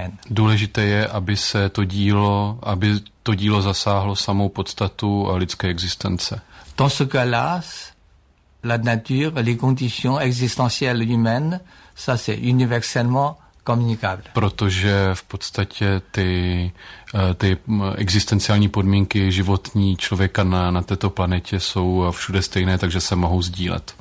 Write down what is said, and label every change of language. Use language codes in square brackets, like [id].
[cs] Důležité je, aby se to dílo, aby to dílo zasáhlo samou podstatu lidské existence. [fr] Dans ce cas-là, la nature, les conditions existentielles humaines, ça c'est universellement communicable. [cs] Protože v podstatě ty existenciální podmínky životní člověka na této planetě jsou všude stejné, takže se mohou sdílet.